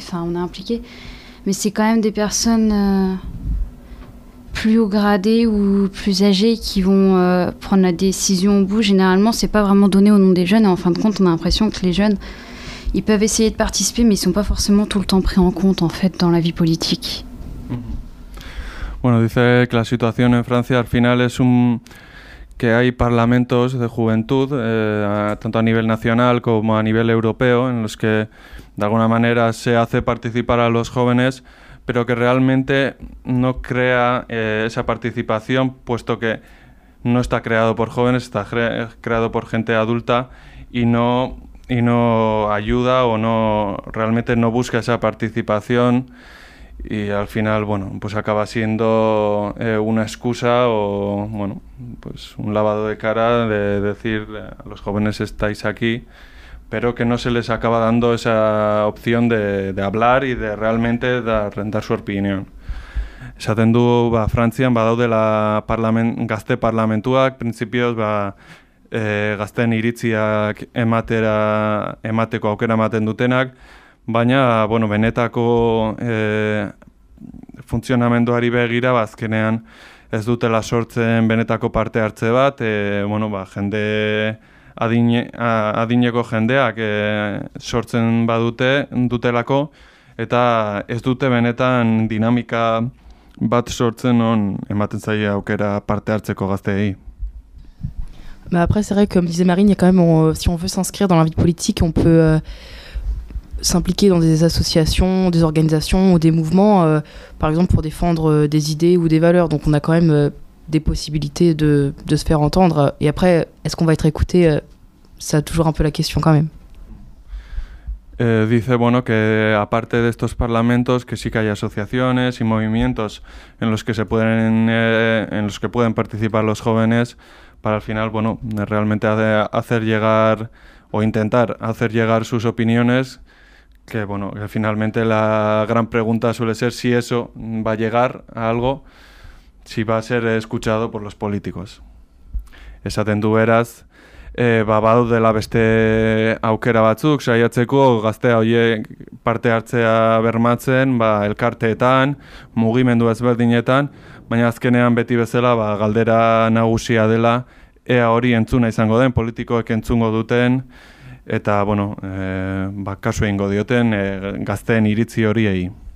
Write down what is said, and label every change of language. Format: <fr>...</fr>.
<fr>Enfin, on est impliqué, mais c'est quand même des personnes plus haut gradés ou plus âgés qui vont prendre la décision au bout. Généralement, c'est pas vraiment donné au nom des jeunes. Et en fin de compte, on a l'impression que les jeunes, ils peuvent essayer de participer, mais ils sont pas forcément tout le temps pris en compte, en fait, dans la vie politique.</fr> <es>Bueno, dice que la situación en Francia al final es que hay parlamentos de juventud, tanto a nivel nacional como a nivel europeo, en los que de alguna manera se hace participar a los jóvenes, pero que realmente no crea esa participación, puesto que no está creado por jóvenes, está creado por gente adulta y no ayuda o no realmente no busca esa participación. Y al final, bueno, pues acaba siendo una excusa o, bueno, pues un lavado de cara de decir a los jóvenes estáis aquí, pero que no se les acaba dando esa opción de hablar y de realmente dar su opinión.</es> <eu>Esaten du, ba, Frantzian, badaudela gazte parlamentuak, principios, ba, gazten iritziak emateko aukera ematen dutenak, baina, bueno, benetako funtzionamenduari begira, azkenean ez dutela sortzen benetako parte hartze bat, bueno, ba, adineko jendeak sortzen badute dutelako, eta ez dute benetan dinamika bat sortzen on ematen zaie aukera parte hartzeko gazteei.</eu> <fr>Mais après, c'est vrai, comme disait Marine, quand même, si on veut s'inscrire dans la vie politique, on peut s'impliquer dans des associations, des organisations ou des mouvements, par exemple pour défendre des idées ou des valeurs. Donc on a quand même des possibilités de se faire entendre. Et après, est-ce qu'on va être écouté? Ça a toujours un peu la question quand même.</fr> <es>Dice, bueno, que aparte de estos parlamentos, que sí que hay asociaciones y movimientos en los que se pueden, en los que pueden participar los jóvenes para al final, bueno, realmente hacer llegar o intentar hacer llegar sus opiniones. Que bueno, que finalmente la gran pregunta suele ser si eso va a llegar a algo, si va a ser escuchado por los políticos.</es> <eu>Esaten du, beraz, badaudela beste aukera batzuk, saiatzeko gaztea horiek parte hartzea bermatzen, ba, elkarteetan, mugimendu ezberdinetan, baina azkenean beti bezala, ba, galdera nagusia dela, ea hori entzuna izango den, politikoek entzungo duten, eta, bueno, kasu egingo dioten gazteen iritzi horiei.</eu>